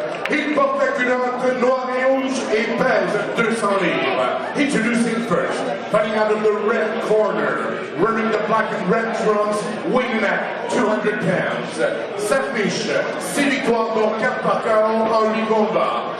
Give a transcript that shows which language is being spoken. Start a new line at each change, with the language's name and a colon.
French: Il porte la culotte noire et rouge et pèse 200 livres.
English: Introducing first, fighting out of the red corner, wearing the black and red trunks, weighing at 200 pounds.
French: Sa fiche, 6 victoires pour 4 par KO en 8 combats.